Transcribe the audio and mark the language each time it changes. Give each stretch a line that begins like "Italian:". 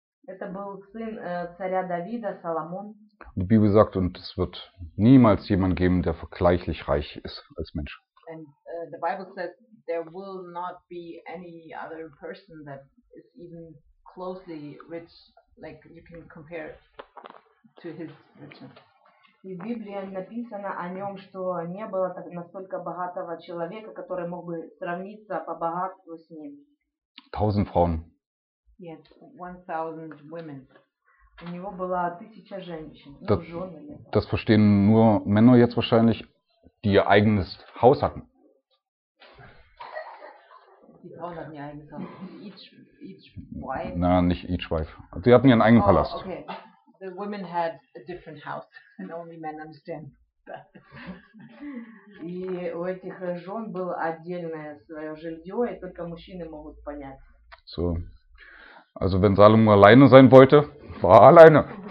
Russian: Это был сын царя Давида, Соломон.
German: Die Bibel sagt, und es wird niemals jemand geben, der vergleichlich reich ist als Mensch.
English: And the Bible says there will not be any other person that is even closely rich. Like you can compare to his religion.
Russian: И в Библии написано о нем, что не было так, настолько богатого человека, который мог бы сравниться по богатству с ним.
German: 1000 Frauen.
English: Yes, 1000 women.
Russian: У него было 1000 женщин, das, ну, жены.
German: Das verstehen nur Männer jetzt wahrscheinlich, die ihr eigenes Haus hatten.
English: Each wife.
German: Na, nicht
English: each wife.
German: Sie hatten ihren eigenen Palast.
English: Okay. The women had a different house, and only men understand that.
Russian: И у этих жен было отдельное свое жилье, и только мужчины могут понять. So.
German: Also, wenn Salomo alleine sein wollte, war alleine.